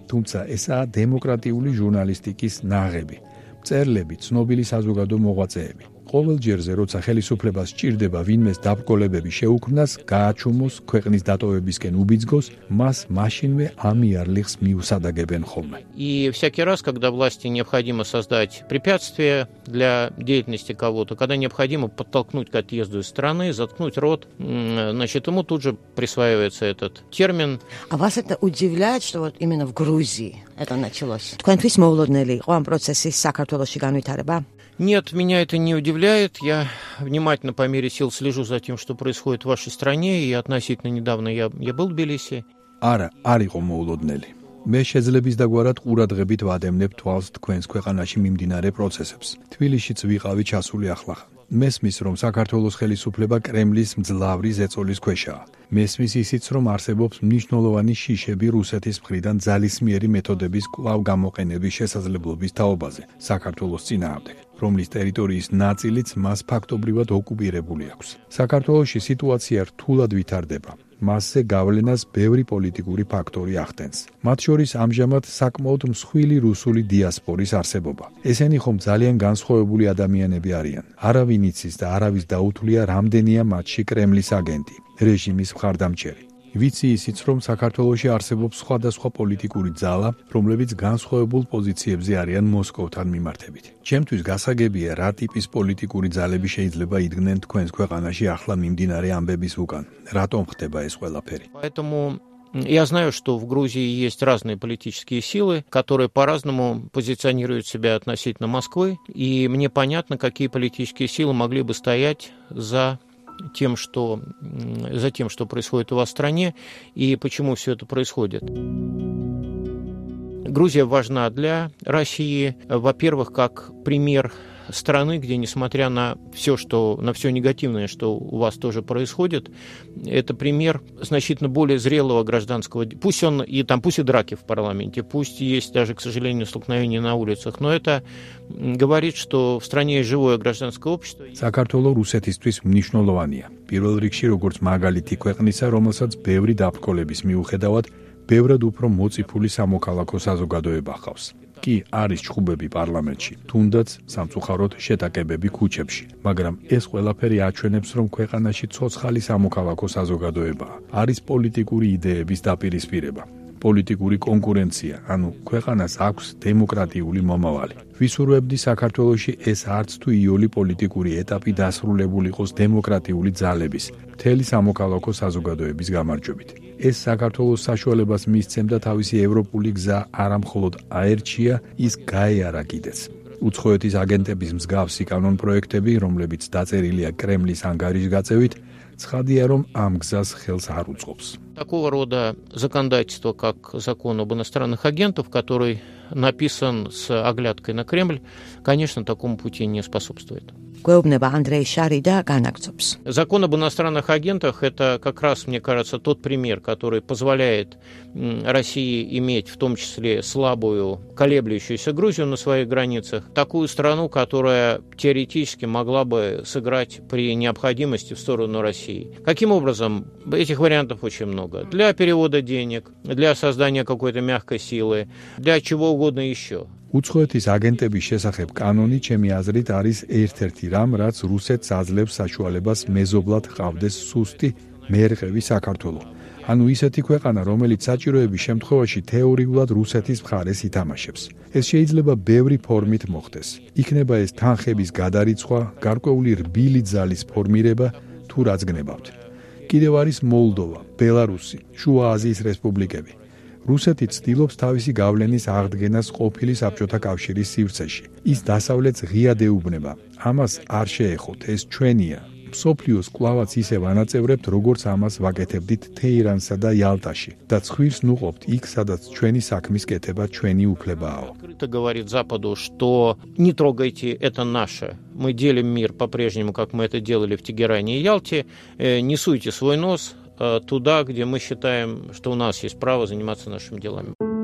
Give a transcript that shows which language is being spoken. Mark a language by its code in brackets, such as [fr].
[ka] თუმცა ესაა დემოკრატიული ჟურნალისტიკის ნაღები, მწერლები, ცნობილი საზოგადო მოღვაწეები. ყოველჯერზე, როცა ხელისუფლებას ჭირდება ვინმეს დაბრკოლებები შეუქმნას, გააჩუმოს, ქვეყნის დატოვებისკენ უბიძგოს, მას მაშინვე ამიარლიხს მიუსადაგებენ ხოლმე. [ru] И всякий раз, когда власти необходимо создать препятствия для деятельности кого-то, когда необходимо подтолкнуть к отъезду из страны, заткнуть рот, значит, ему тут же присваивается этот термин. А вас это удивляет, что вот именно в Грузии это началось? [ka] თქვენთვის მოულოდნელი იყო ამ პროცესის საქართველოსში განვითარება? [ru] Нет, меня это не удивляет. Я внимательно по мере сил слежу за тем, что происходит в вашей стране, и относительно недавно я был в Тбилиси. [ka] Ара, арიყო მოულოდნელი. Მე შეძლების დაგვარად ყურადღებით ვადევნებ თვალს თქვენს ქვეყანაში მიმდინარე პროცესებს. თბილისშიც ვიყავი ჩასული ახლა. მესმის, რომ საქართველოს ხელისუფლება კრემლის მძლავრი ზეწოლის ქვეშაა. მესმის ისიც, რომ არსებობს მნიშვნელოვანი შიშები რუსეთის მხრიდან ძალისმიერი მეთოდების კვლავ გამოყენების შესაძლებლობის თაობაზე საქართველოს წინააღმდეგ, რომლის ტერიტორიის ნაწილიც მას ფაქტობრივად ოკუპირებული აქვს. საქართველოში სიტუაცია რთულად ვითარდება. მასზე გავლენას ბევრი პოლიტიკური ფაქტორი ახდენს. მათ შორის ამჟამად საკმაოდ მსხვილი რუსული დიასპორის არსებობა. ესენი ხომ ძალიან განსხვავებული ადამიანები არიან. არავინ იცის და არავის დაუთვლია რამდენია მათში კრემლის აგენტი, რეჟიმის მხარდამჭერი. ვიცი ისიც, რომ საქართველოში არსებობს სხვადასხვა პოლიტიკური ძალა, რომლებიც განსხვავებულ პოზიციებზე არიან მოსკოვთან მიმართებით. ჩემთვის გასაგებია, რა ტიპის პოლიტიკური ძალები შეიძლება იდგნენ თქვენს ქვეყანაში ახლა მიმდინარე ამბების უკან. რატომ ხდება ეს ყველაფერი? [ru] Я знаю, что в Грузии есть разные политические силы, которые по-разному позиционируют себя относительно Москвы, и мне понятно, какие политические силы могли бы стоять за тем, что происходит у вас в стране и почему все это происходит. Грузия важна для России, во-первых, как пример страны, где, несмотря на все, что на все негативное, что у вас тоже происходит, это пример значительно более зрелого гражданского. Пусть он и там, пусть и драки в парламенте, пусть есть даже, к сожалению, столкновения на улицах, но это говорит, что в стране есть живое гражданское общество. [ka] Საქართველო რუსეთისთვის მნიშვნელოვანია. [ru] Первый рикши, [ka] როგორც მაგალითი ქვეყნისა, რომელსაც ბევრი დაბრკოლების მიუხედავად, ბევრად უფრო მოციფული სამოქალაქო საზოგადოება ხავს. Კი, არის ჩხუბები პარლამენტში, თუნდაც სამწუხაროდ შეტაკებები ქუჩებში, მაგრამ ეს ყველაფერი აჩვენებს, რომ ქვეყანაში ცოცხალი სამოქალაქო საზოგადოებაა. არის პოლიტიკური იდეების დაპირისპირება, პოლიტიკური კონკურენცია, ანუ ქვეყანას აქვს დემოკრატიული მომავალი. ვისურვებდი საქართველოში ეს არც თუ იოლი პოლიტიკური ეტაპი დასრულებულიყოს დემოკრატიული ძალების, მთელი სამოქალაქო საზოგადოების გამარჯვებით. ეს საქართველოს საშუალებას მისცემდა თავისი ევროპული გზა არა მხოლოდ აერჩია, ის გაეარა კიდეც. უცხოეთის აგენტების მსგავსი კანონპროექტები, რომლებიც დაწერილია კრემლის ანგარიშ გაწევით, ცხადია, რომ ამ გზას ხელს არ უწყობს. [ru] Такого рода законодательство, как закон об иностранных агентах, который написан с оглядкой на Кремль, конечно, такому пути не способствует. [ka] Гвеобнеба Андрей Шарида განაგცობს. [ru] Закон об иностранных агентах это как раз, мне кажется, тот пример, который позволяет России иметь в том числе слабую, колеблющуюся Грузию на своих границах, такую страну, которая теоретически могла бы сыграть при необходимости в сторону России. Каким образом? Этих вариантов очень много. Для перевода денег, для создания какой-то мягкой силы, для чего угодно ещё. [ka] უცხოეთის აგენტების შესახებ კანონი ჩემი აზრით არის ერთ-ერთი რამ, რაც რუსეთს აძლევს საშუალებას მეზობლად ყავდეს სუსტი მერყევი საქართველო. ანუ ისეთი ქვეყანა, რომელიც საჭიროების შემთხვევაში თეორიულად რუსეთის მხარეს ითამაშებს. ეს შეიძლება ბევრი ფორმით მოხდეს. იქნება ეს თანხების გადარიცხვა, გარკვეული რბილი ძალის ფორმირება, თუ რაც გნებავთ. კიდევ არის მოლდოვა, ბელარუსი, შუა აზიის რესპუბლიკები. რუსეთი ცდილობს თავისი გავლენის აღდგენას ყოფილი საბჭოთა კავშირის სივრცეში. ის დასავლეთს ღიად ეუბნება. ამას არ შეეხოთ, ეს ჩვენია. მსოფლიოს კვლავაც ისე ვანაწევრებთ, როგორც ამას ვაკეთებდით თეირანსა და იალტაში. და ცხვირს ნუყობთ იქ, სადაც ჩვენი საქმის კეთება ჩვენი უფლებაა. [ru] Это говорит Западу, что не трогайте, это наше. Мы делим мир по-прежнему, как мы это делали в Тегеране и Ялте. Не суйте свой нос туда, где мы считаем, что у нас есть право заниматься нашими делами.